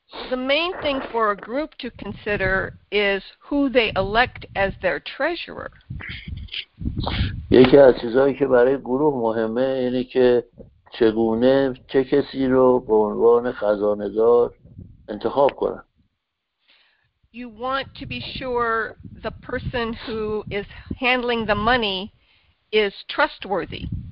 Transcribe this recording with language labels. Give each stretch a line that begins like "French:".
English: The main thing for a group to consider is who they elect as their treasurer.
Persian: یکی از چیزهایی که برای گروه مهمه اینه که چگونه چه کسی رو به عنوان خزانه‌دار انتخاب کنن.
English: You want to be sure the person who is handling the money is trustworthy.